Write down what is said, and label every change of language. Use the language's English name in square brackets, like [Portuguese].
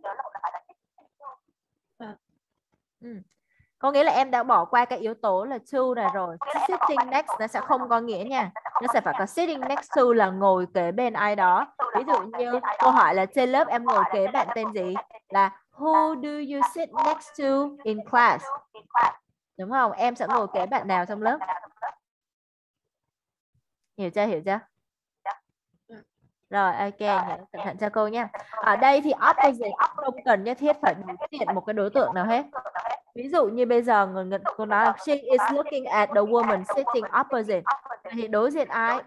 [Vietnamese] nhớ lộn là phải là sitting. Có nghĩa là em đã bỏ qua cái yếu tố là to này rồi. Sitting next nó sẽ không có nghĩa nha. Nó sẽ phải có sitting next to là ngồi kế bên ai đó. Ví dụ như cô hỏi là trên lớp em ngồi kế bạn tên gì? [English] Là who do you sit next to in class? [Vietnamese] Đúng không? Em sẽ ngồi kế bạn nào trong lớp? Hiểu chưa? Hiểu chưa? Rồi, ok, nhớ cẩn thận cho cô nha. Ở đây thì opposite không cần nhất thiết phải đối diện một cái đối tượng nào hết. Ví dụ như bây giờ cô nói [English] she is looking at the woman sitting opposite. [Vietnamese] Thì đối diện ai?